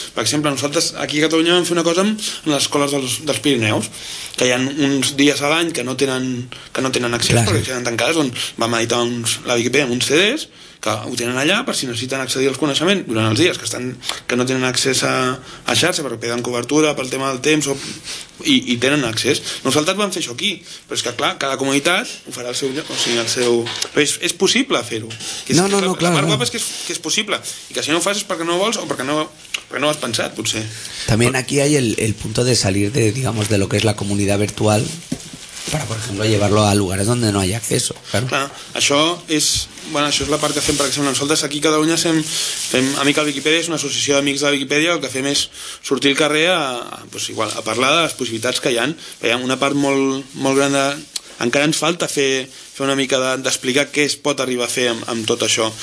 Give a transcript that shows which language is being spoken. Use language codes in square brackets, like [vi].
[ca] Per exemple, nosaltres aquí a Catalunya vam fer una cosa amb les escoles dels Pirineus, que hi ha uns dies a l'any que no tenen accés perquè estan tancades, on vam editar la Wikipedia amb uns CDs que ho tenen allà per si necessiten accedir al coneixement durant els dies que no tenen accés a xarxa perquè peden cobertura pel tema del temps i tenen accés. Nosaltres vam fer això aquí, però és que clar, cada comunitat ho farà el seu lloc, o sigui, el seu... és possible fer-ho. La part guapa és que és possible, i que si no ho fas és perquè no vols o perquè no ho has pensat, potser. També aquí hi ha el punt de [es] salir de, digamos, de lo que és la comunitat virtual, para, por ejemplo, llevarlo a lugares donde no hay acceso. Claro, [ca] això és bueno, això és la part que fem per exemple nosaltres aquí a Catalunya fem Amics de Viquipèdia, és una associació d'amics de Viquipèdia, el que fem és sortir al carrer a parlar de les possibilitats que hi ha. Hi ha una part molt, molt gran de... encara ens falta fer una mica d'explicar què es pot arribar a fer amb tot això.